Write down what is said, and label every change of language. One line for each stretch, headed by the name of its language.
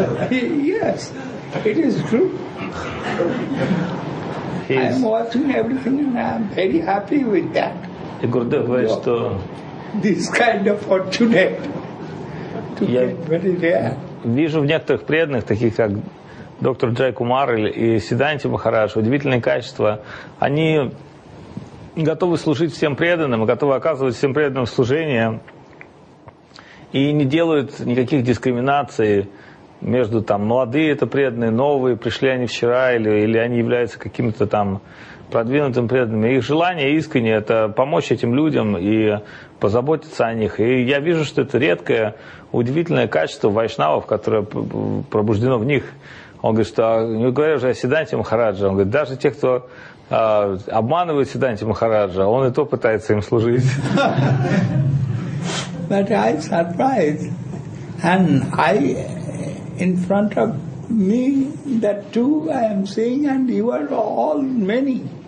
English: Yes, it is true. I am watching everything and I am very happy with that. The Gurudev is to... This kind of opportunity to get very rare.
Russian: Вижу в некоторых преданных, таких как доктор Джайкумар и Сиданти Махарадж, удивительные качества. Они готовы служить всем преданным, готовы оказывать всем преданным служение и не делают никаких дискриминаций между там молодые это преданные, новые, пришли они вчера или они являются какими-то там продвинутым преданным. Их желание искренне – это помочь этим людям и позаботиться о них. И я вижу, что это редкое, удивительное качество вайшнавов, которое пробуждено в них. Он говорит, что, не говоря уже о Сиданте Махараджа, он говорит, даже те, кто обманывает Сиданте Махараджа, он и то пытается им служить.
English: But I surprised. And I, in front of me, that two I am seeing, and you are all many.